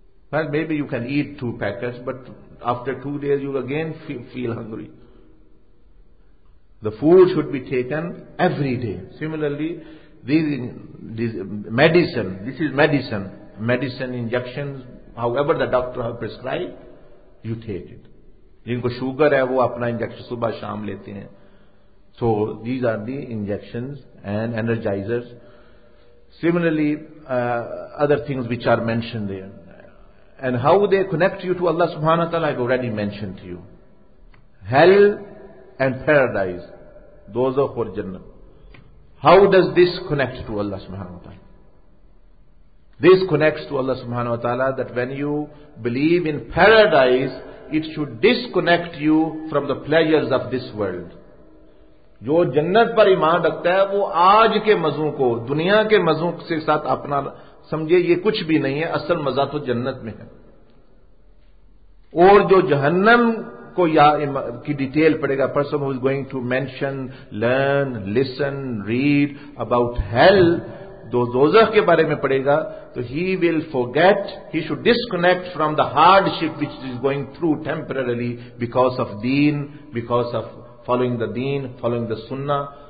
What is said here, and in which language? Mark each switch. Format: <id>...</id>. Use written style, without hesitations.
<en>Well, maybe you can eat 2 packets, but after 2 days you again feel hungry. The food should be taken every day. Similarly, this is medicine, injections, however the doctor have prescribed, you take it.</en> <ur>جن کو sugar ہے وہ اپنا injection صبح شام لیتے ہیں.</ur> <en>So these are the injections and energisers. Similarly other things which are mention there and how they connect you to اللہ سبحانہ تعالیٰ have already mention to you. Hell and paradise,</en> <ur>دوزخ اور جنت.</ur> <en>How does this connect to Allah subhanahu wa ta'ala? This connects to Allah subhanahu wa ta'ala that when you believe in paradise, it should disconnect you from the pleasures of this world.</en> <ur>جو جنت پر ایمان رکھتا ہے وہ آج کے مزوں کو دنیا کے مزوں کے ساتھ اپنا سمجھے, یہ کچھ بھی نہیں ہے, اصل مزہ تو جنت میں ہے. اور جو جہنم کو یا کی ڈیٹیل پڑے گا,</ur> <en>person who is going to mention, learn, listen, read about hell,</en> <ur>دوزخ کے بارے میں پڑے گا,</ur> <en>تو he will forget, he should disconnect from the hardship which is going through temporarily because of دین, because of following the دین, following the سننا.</en>